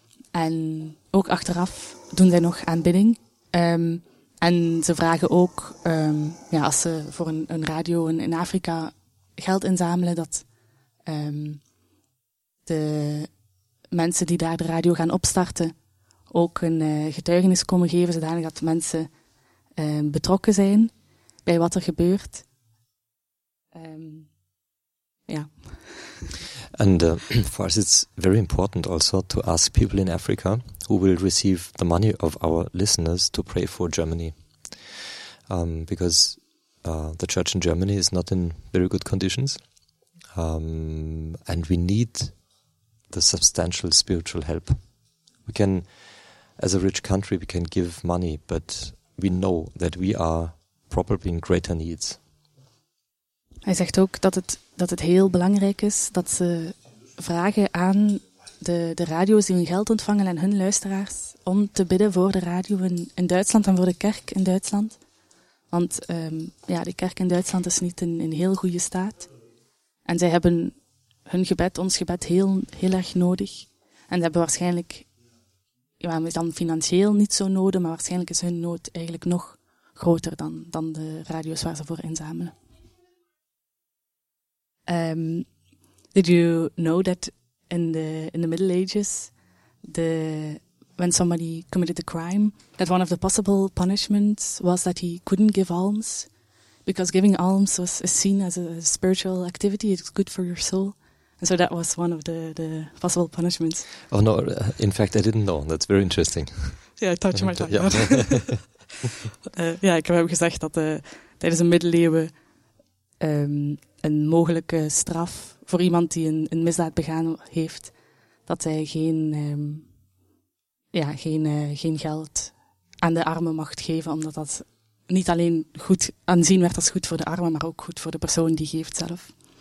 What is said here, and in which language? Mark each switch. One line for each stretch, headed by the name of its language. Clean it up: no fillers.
Dutch: En ook achteraf doen zij nog aanbidding. En ze vragen ook, als ze voor een radio in Afrika geld inzamelen, dat de mensen die daar de radio gaan opstarten ook een getuigenis komen geven, zodanig dat mensen betrokken zijn bij wat er gebeurt.
English: En for us it's very important also to ask people in Africa who will receive the money of our listeners to pray for Germany. Because the church in Germany is not in very good conditions. And we need the substantial spiritual help. We can, as a rich country, we can give money, but we know that we are probably in greater needs.
Dutch: Hij zegt ook dat het heel belangrijk is dat ze vragen aan de radio's die hun geld ontvangen en hun luisteraars om te bidden voor de radio in Duitsland en voor de kerk in Duitsland. Want ja, de kerk in Duitsland is niet in een heel goede staat. En zij hebben hun gebed, ons gebed, heel, heel erg nodig. En ze hebben waarschijnlijk, ja, is dan financieel niet zo nodig, maar waarschijnlijk is hun nood eigenlijk nog groter dan de radio's waar ze voor inzamelen.
English: Did you know that in the Middle Ages, when somebody committed a crime, that one of the possible punishments was that he couldn't give alms, because giving alms was seen as a spiritual activity, it's good for your soul. And so that was one of the possible punishments. Oh no, in fact I didn't know, that's very interesting. Yeah, I thought you might like that.
Dutch: Yeah, ik heb gezegd dat tijdens de middeleeuwen een mogelijke straf voor iemand die een misdaad begaan heeft, dat hij geen geld aan de armen mag geven, omdat dat niet alleen goed aanzien werd als goed voor de armen, maar ook goed voor de persoon die geeft zelf.